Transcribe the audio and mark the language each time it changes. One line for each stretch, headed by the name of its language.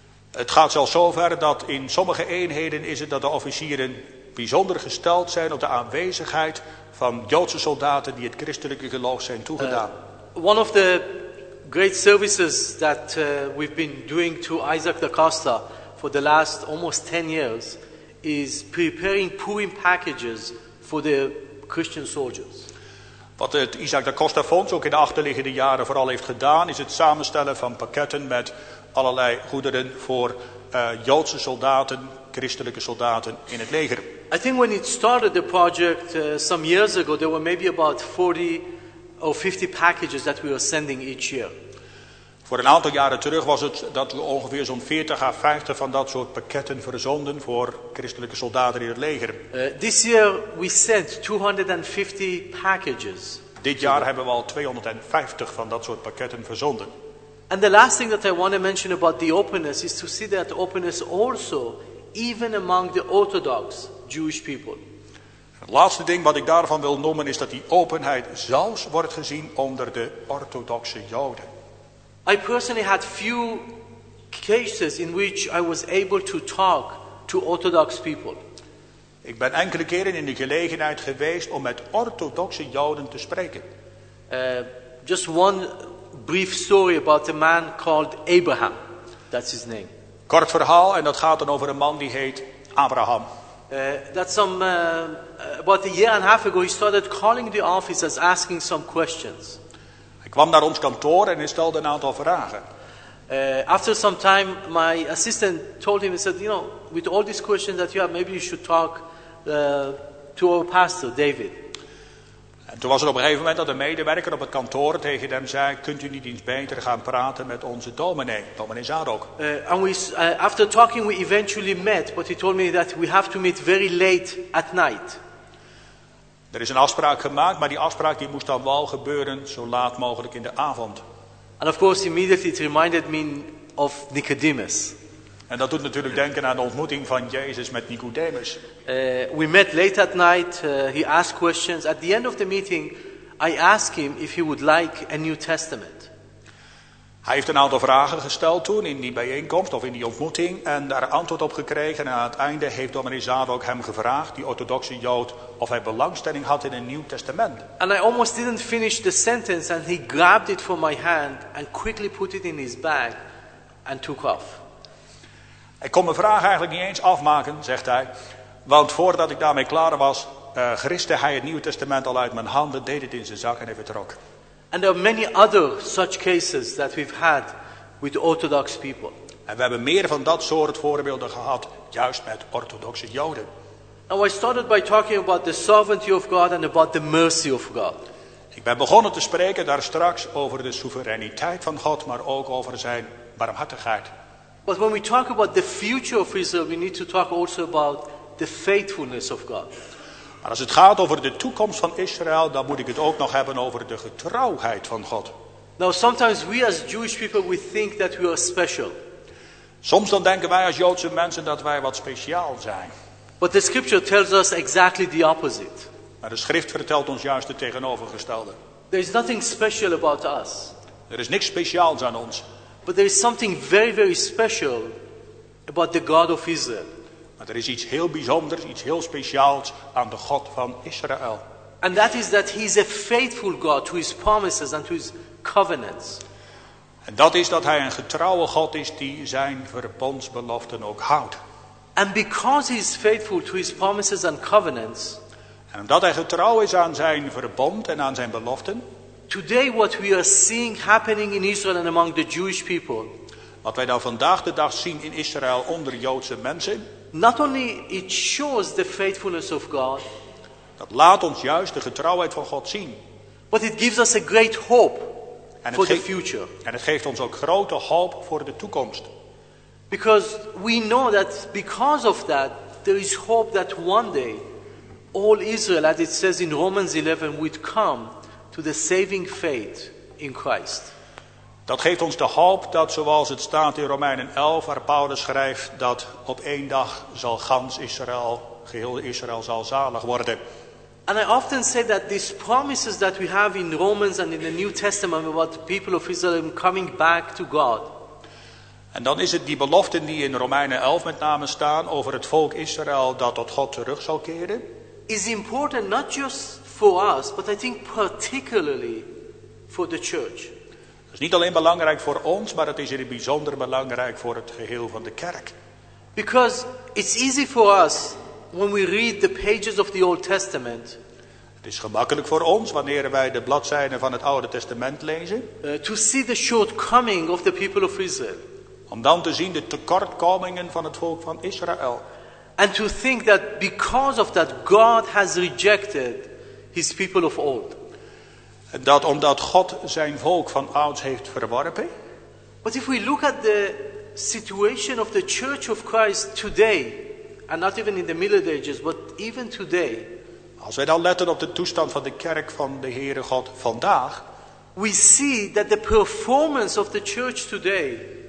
Dutch: Het gaat zelfs zover dat in sommige eenheden is het dat de officieren bijzonder gesteld zijn op de aanwezigheid van Joodse soldaten die het christelijke geloof zijn toegedaan.
English: One of the great services that we've been doing to Isaac da Costa for the last almost 10 years is preparing Purim packages for the Christian soldiers.
Dutch: Wat het Isaac da Costa Fonds ook in de achterliggende jaren vooral heeft gedaan, is het samenstellen van pakketten met allerlei goederen voor Joodse soldaten, christelijke soldaten in het leger.
English: I think when it started the project some years ago, there were maybe about 40 or 50 packages that we were sending each year.
Dutch: Voor een aantal jaren terug was het dat we ongeveer zo'n 40 à 50 van dat soort pakketten verzonden voor christelijke soldaten in het leger.
English: This year we sent 250 packages.
Dutch: Dit jaar hebben we al 250 van dat soort pakketten verzonden.
English: And the last thing that I want to mention about the openness is to see that openness also even among the Orthodox Jewish people.
Dutch: Het laatste ding wat ik daarvan wil noemen is dat die openheid zelfs wordt gezien onder de orthodoxe Joden.
English: I personally had few cases in which I was able to talk to Orthodox people.
Dutch: Ik ben enkele keren in de gelegenheid geweest om met orthodoxe Joden te spreken.
English: Just one brief story about a man called Abraham. That's his name.
Dutch: Kort verhaal, en dat gaat dan over een man die heet Abraham.
English: About a year and a half ago he started calling the offices asking some questions.
Dutch: Ik kwam naar ons kantoor en hij stelde een aantal vragen.
English: After some time, my assistant told him, he said, you know, with all these questions that you have, maybe you should talk to our pastor, David.
Dutch: En toen was er op een gegeven moment dat een medewerker op het kantoor tegen hem zei, kunt u niet eens beter gaan praten met onze dominee, dominee Zadok.
English: After talking, we eventually met, but he told me that we have to meet very late at night.
Dutch: Er is een afspraak gemaakt, maar die afspraak die moest dan wel gebeuren zo laat mogelijk in de avond.
English: And of course, immediately it reminded me of Nicodemus.
Dutch: En dat doet natuurlijk denken aan de ontmoeting van Jezus met Nicodemus.
English: We met late at night. He asked questions. At the end of the meeting, I asked him if he would like a New Testament.
Dutch: Hij heeft een aantal vragen gesteld toen in die bijeenkomst of in die ontmoeting en daar antwoord op gekregen. En aan het einde heeft dominee Zadok hem gevraagd, die orthodoxe Jood, of hij belangstelling had in een Nieuw Testament.
English: And I almost didn't finish the sentence and he grabbed it from my hand and quickly put it in his bag and took off.
Dutch: Ik kon mijn vraag eigenlijk niet eens afmaken, zegt hij. Want voordat ik daarmee klaar was, geriste hij het Nieuw Testament al uit mijn handen, deed het in zijn zak en hij vertrok.
English: And there are many other such cases that we've had with Orthodox people.
Dutch: En we hebben meer van dat soort voorbeelden gehad, juist met orthodoxe Joden.
English: Now I started by talking about the sovereignty of God and about the mercy of God.
Dutch: Ik ben begonnen te spreken daar straks over de soevereiniteit van God, maar ook over zijn barmhartigheid.
English: But when we talk about the future of Israel, we need to talk also about the faithfulness of God.
Dutch: Maar als het gaat over de toekomst van Israël, dan moet ik het ook nog hebben over de getrouwheid van God.
English: Now, sometimes we as Jewish people we think that we are special.
Dutch: Soms dan denken wij als Joodse mensen dat wij wat speciaal zijn.
English: But the scripture tells us exactly the opposite.
Dutch: Maar de schrift vertelt ons juist het tegenovergestelde.
English: There is nothing special about us.
Dutch: Er is niks speciaals aan ons.
English: But there is something very, very special about the God of Israel.
Dutch: Maar er is iets heel bijzonders, iets heel speciaals aan de God van Israël.
English: And that is that he is a faithful God to his promises and to his covenants.
Dutch: En dat is dat hij een getrouwe God is die zijn verbondsbeloften ook houdt.
English: And because he is faithful to his promises and covenants.
Dutch: En omdat hij getrouw is aan zijn verbond en aan zijn beloften.
English: Today what we are seeing happening in Israel and among the Jewish people.
Dutch: Wat wij dan vandaag de dag zien in Israël onder Joodse mensen.
English: Not only it shows the faithfulness of God.
Dutch: Dat laat ons juist de getrouwheid van God zien.
English: But it gives us a great hope for the future.
Dutch: En het geeft ons ook grote hoop voor de toekomst.
English: Because we know that because of that there is hope that one day all Israel, as it says in Romans 11, would come to the saving faith in Christ.
Dutch: Dat geeft ons de hoop dat zoals het staat in Romeinen 11 waar Paulus schrijft dat op één dag zal gans Israël, geheel Israël zal zalig worden.
English: And I often say that these promises that we have in Romans and in the New Testament about the people of Israel coming back to God.
Dutch: En dan is het die beloften die in Romeinen 11 met name staan over het volk Israël dat tot God terug zal keren.
English: Is important not just for us but I think particularly for the church.
Dutch: Het is niet alleen belangrijk voor ons, maar het is in het bijzonder belangrijk voor het geheel van de kerk.
English: Because it's easy for us when we read the pages of the Old Testament.
Dutch: Het is gemakkelijk voor ons wanneer wij de bladzijden van het Oude Testament lezen.
English: To see the shortcoming of the people of Israel.
Dutch: Om dan te zien de tekortkomingen van het volk van Israël.
English: And to think that because of that God has rejected his people of old.
Dutch: En dat omdat God zijn volk van ouds heeft verworpen.
English: But if we look at the situation of the Church of Christ today, and not even in the Middle Ages, but even today.
Dutch: Als wij dan letten op de toestand van de kerk van de Heere God vandaag.
English: We see that the performance of the church today.